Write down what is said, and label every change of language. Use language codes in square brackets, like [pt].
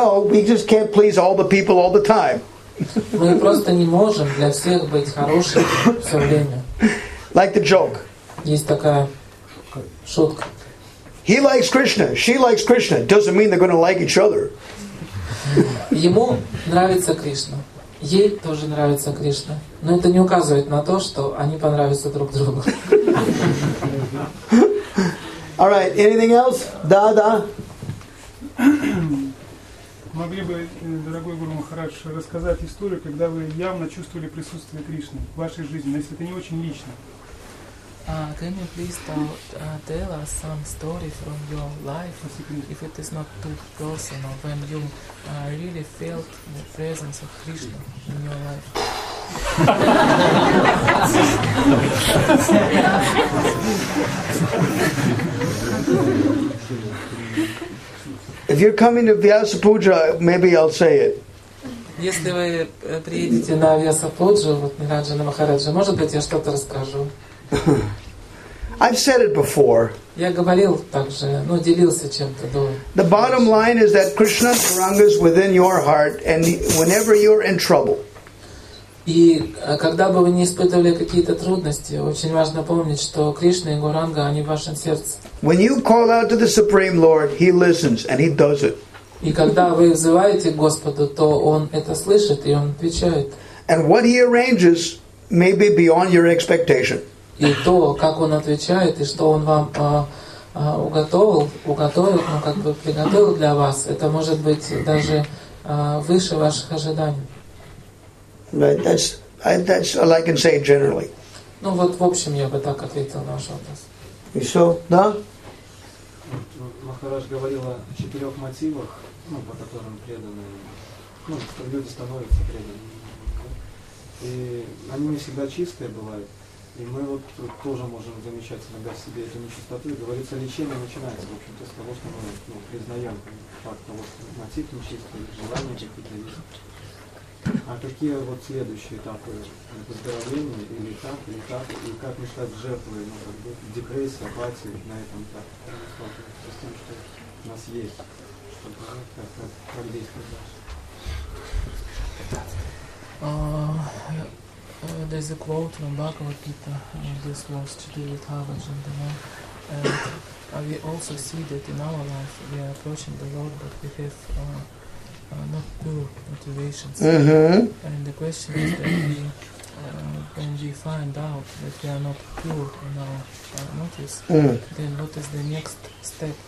[en] We just can't please all the people all the time. [ru] Мы просто не можем для всех быть хорошим все время. [en] Like the joke. [ru] Есть такая шутка. [en] He likes Krishna, she likes Krishna. Doesn't mean they're going to like each other. [ru] Ему нравится Кришна, ей тоже нравится Кришна, но это не указывает на то, что они понравятся друг другу. [en] All right. Anything else? [ru] Да, да. Могли бы, дорогой Гуру Махарадж, рассказать историю, когда вы явно чувствовали присутствие Кришны в вашей жизни, но если это не очень лично. [en] Can you please tell us some story from your life, if it is not too personal, when you really felt the presence of Krishna in your life? If you're coming to Vyasa Puja, maybe I'll say it. [ru] Если вы приедете на Вьясапуджу, вот Нираджа на Махараджа, может быть, я что-то расскажу. [en] I've said it before. [ru] Я говорил также, ну, делился чем-то до. [en] The bottom line is that Krishna Saranga is within your heart, and whenever you're in trouble. [ru] И когда бы вы не испытывали какие-то трудности, очень важно помнить, что Кришна и Гуранга, они в вашем сердце. [en] When you call out to the Supreme Lord, He listens and He does it. [ru] И когда вы взываете к Господу, то Он это слышит и Он отвечает. [en] And what He arranges may be beyond your expectation. [ru] И то, как Он отвечает и что Он вам уготовил, ну как бы приготовил для вас, это может быть даже выше ваших ожиданий. [en] Right. That's all I can say generally. [ru] Ну вот в общем я бы так ответил на ваш вопрос. И что, да? Махарадж говорил о четырех мотивах, ну по которым преданные, ну что люди становятся преданными, да? И они не всегда чистые бывают. И мы вот тут тоже можем замечать иногда в себе эту нечистоту. И говорится, лечение начинается, в общем-то, с того, что мы, ну, признаем факт того, что мотив нечистый, желания какие-то есть. А какие вот следующие этапы выздоровления, или так, и как не стать жертвой, ну, как бы, депрессии, апатии на этом этапе, с тем, что у нас есть, чтобы как-то продвинуть дальше. [en] There's a quote from Bhagavad Gita, this verse to do with Hava Jandana. And we also see that in our life we are approaching the Lord, but we have not pure motivations. Mm-hmm. And the question is that when we find out that we are not pure in our motives, then what is the next step?